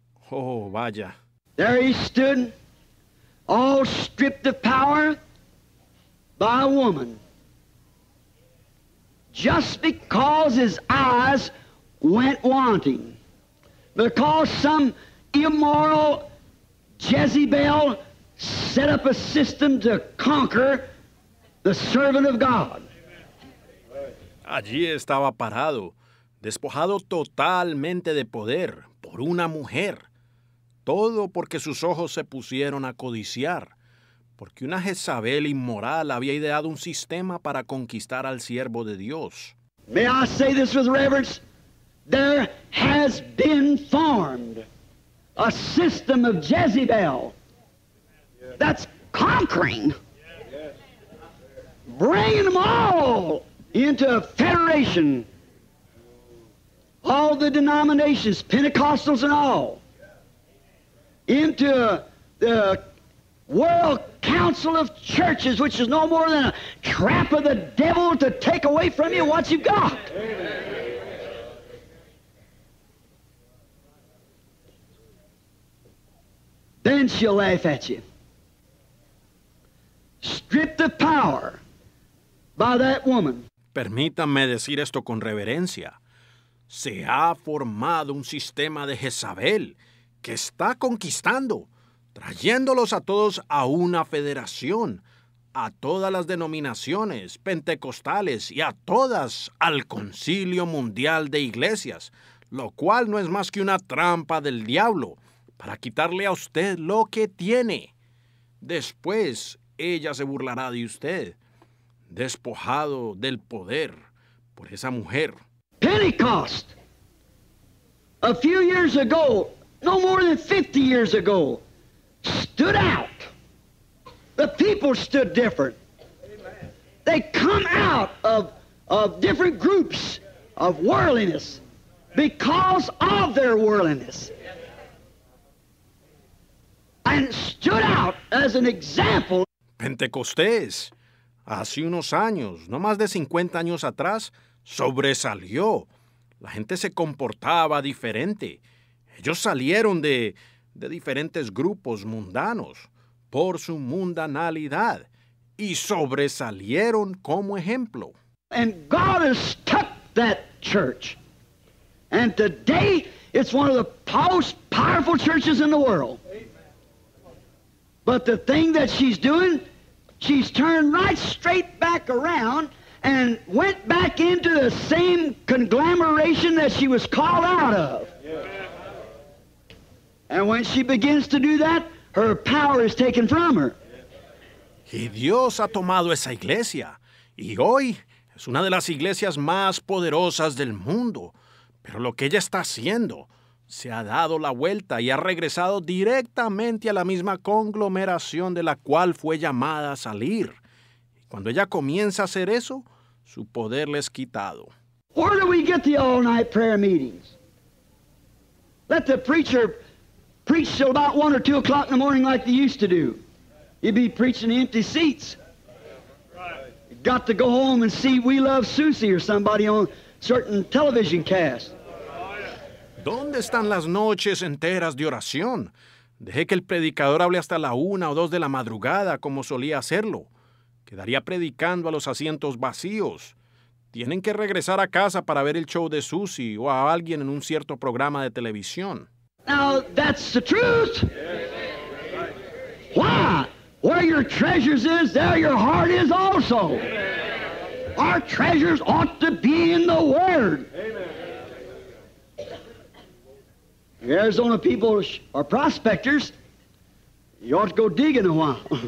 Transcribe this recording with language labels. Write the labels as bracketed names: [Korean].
[Spanish] Oh, vaya. [English] There he stood, all stripped of power by a woman, just because his eyes went wanting. Because some immoral Jezebel set up a system to conquer the servant of God. [Spanish] Allí estaba parado, despojado totalmente de poder por una mujer. Todo porque sus ojos se pusieron a codiciar. Porque una Jezabel inmoral había ideado un sistema para conquistar al siervo de Dios. [English] May I say this with reverence? There has been formed a system of Jezebel that's conquering, bringing them all into a federation, all the denominations, Pentecostals and all, into the World Council of Churches, which is no more than a trap of the devil to take away from you what you've got. Then she'll laugh at you. Stripped of power by that woman. [Spanish] Permítanme decir esto con reverencia. Se ha formado un sistema de Jezabel que está conquistando, trayéndolos a todos a una federación, a todas las denominaciones pentecostales y a todas al Concilio Mundial de Iglesias, lo cual no es más que una trampa del diablo. Para quitarle a usted lo que tiene. Después, ella se burlará de usted, despojado del poder por esa mujer. [English] Pentecost, a few years ago, no more than 50 years ago, stood out. The people stood different. They come out of different groups of worldliness because of their worldliness. And stood out as an example. [Spanish] Pentecostés, hace unos años, no más de 50 años atrás, sobresalió. La gente se comportaba diferente. Ellos salieron de diferentes grupos mundanos por su mundanalidad y sobresalieron como ejemplo. [English] And God has struck that church. And today it's one of the most powerful churches in the world. But the thing that she's doing, she's turned right straight back around and went back into the same conglomeration that she was called out of. And when she begins to do that, her power is taken from her. [Spanish] Y Dios ha tomado esa iglesia, y hoy es una de las iglesias más poderosas del mundo. Pero lo que ella está haciendo, se ha dado la vuelta y ha regresado directamente a la misma conglomeración de la cual fue llamada a salir. Y cuando ella comienza a hacer eso, su poder le es quitado. [English] Where do we get the all-night prayer meetings? Let the preacher preach till about 1 or 2 o'clock in the morning like they used to do. He'd be preaching empty seats. Got to go home and see We Love Susie or somebody on certain television cast. [Spanish] ¿Dónde están las noches enteras de oración? Deje que el predicador hable hasta la 1 o 2 de la madrugada, como solía hacerlo. Quedaría predicando a los asientos vacíos. Tienen que regresar a casa para ver el show de Susie o a alguien en un cierto programa de televisión. [English] Now, that's the truth. Why? Where your treasures is, there your heart is also. Our treasures ought to be in the Word. The Arizona people are prospectors. You ought to go digging a while.